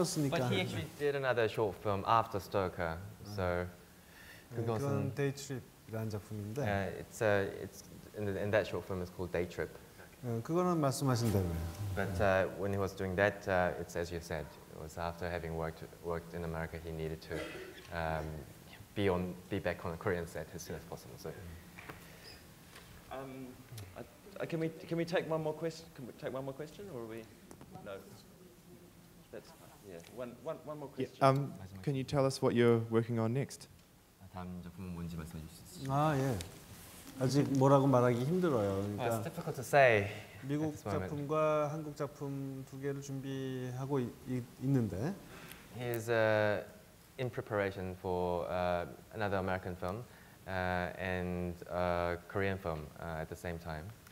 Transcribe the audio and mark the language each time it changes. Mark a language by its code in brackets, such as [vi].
[en] But he actually did another short film after Stoker. So, [ko] 그건 Day Trip이라는 작품인데. [en] And that short film is called Day Trip. [ko] 그거는 말씀하신 대로. [en] But when he was doing that, it's as you said. It was after having worked in America, he needed to be back on a Korean set as soon as possible. So. Can we take one more question? Can we take one more question, or are we? No. That's yeah. One more question. Yeah, can you tell us what you're working on next? [ko] 다음 작품은 뭔지 말씀해 주실 수 있어요? 아 예. 아직 뭐라고 말하기 힘들어요. 그러니까 [en] it's difficult to say. [ko] 미국 작품과 한국 작품 두 개를 준비하고 있는데. [en] He is in preparation for another American film and a Korean film at the same time.